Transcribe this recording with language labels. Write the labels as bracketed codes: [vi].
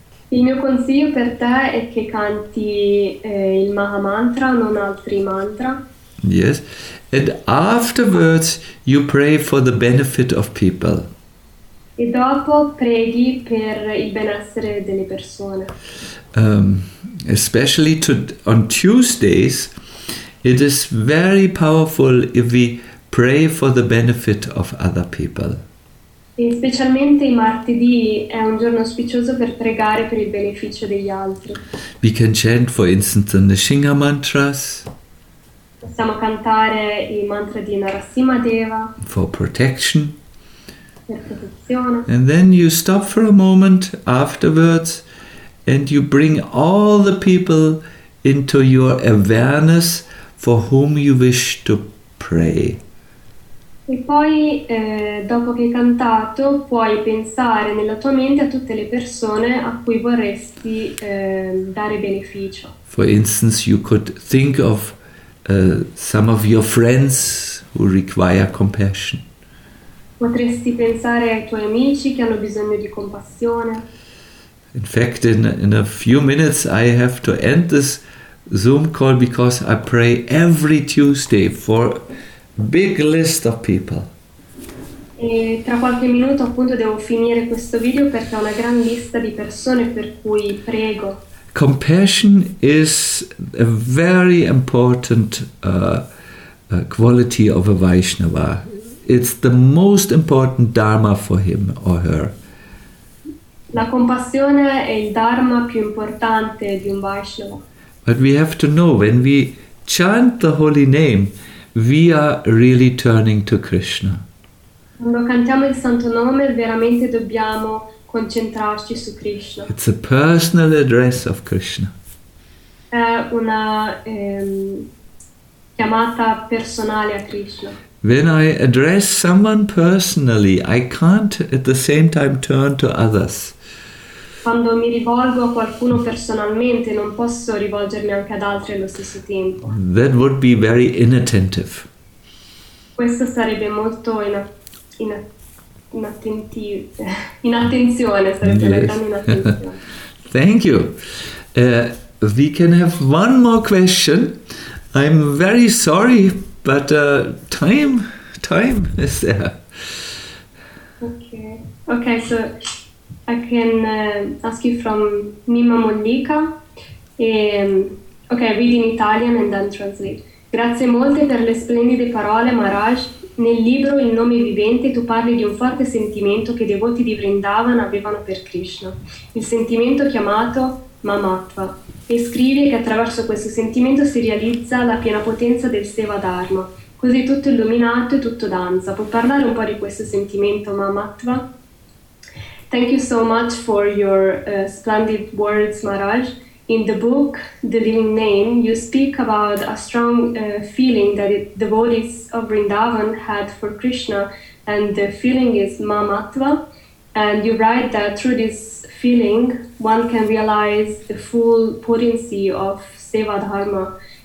[it] Il mio consiglio per te è che canti il Maha Mantra, non altri mantra. [en] Yes, and afterwards you pray for the benefit of people. [it] E dopo preghi per il benessere delle persone. [en] Especially on Tuesdays, it is very powerful if we pray for the benefit of other people. [it] E specialmente i martedì è un giorno auspicioso per pregare per il beneficio degli altri. [en] We can chant, for instance, the Nrisimha mantras. [it] Possiamo cantare il mantra di Narasimha Deva. [en] For protection. [it] Per protezione. [en] And then you stop for a moment afterwards, and you bring all the people into your awareness for whom you wish to pray. [it] E poi, dopo che hai cantato, puoi pensare nella tua mente a tutte le persone a cui vorresti dare beneficio. [en] For instance, you could think of some of your friends who require compassion. [it] Potresti pensare ai tuoi amici che hanno bisogno di compassione. [en] In fact, in a few minutes I have to end this Zoom call because I pray every Tuesday for big list of people. [it] E tra qualche minuto appunto devo finire questo video perché ho una gran lista di persone per cui prego. [en] Compassion is a very important quality of a Vaishnava. It's the most important dharma for him or her. [it] La compassione è il dharma più importante di un Vaishnava. [en] But we have to know when we chant the holy name, we are really turning to Krishna. [it] Quando cantiamo il santo nome, veramente dobbiamo concentrarci su Krishna. [en] It's a personal address of Krishna. [it] È una chiamata personale a Krishna. [en] When I address someone personally, I can't at the same time turn to others. [it] Quando mi rivolgo a qualcuno personalmente non posso rivolgermi anche ad altri allo stesso tempo. [en] That would be very inattentive. [it] Questo sarebbe molto inattenzione, sarebbe [en] yes. [it] La grande inattenzione. [en] Thank you. We can have one more question. I'm very sorry, but time is there. Okay, so I can ask you from Mima Mollica. Okay, read in Italian and then translate. [it] Grazie molte per le splendide parole, [en] Maharaj. [it] Nel libro Il Nome Vivente tu parli di un forte sentimento che i devoti di Vrindavan avevano per Krishna, il sentimento chiamato Mamatva, e scrivi che attraverso questo sentimento si realizza la piena potenza del Seva Dharma. Così tutto illuminato e tutto danza. Puoi parlare un po' di questo sentimento Mamatva? [en] Thank you so much for your splendid words, Maharaj. In the book, The Living Name, you speak about a strong feeling that the devotees of Vrindavan had for Krishna, and the feeling is Mamatva. And you write that through this feeling, one can realize the full potency of Seva Dharma.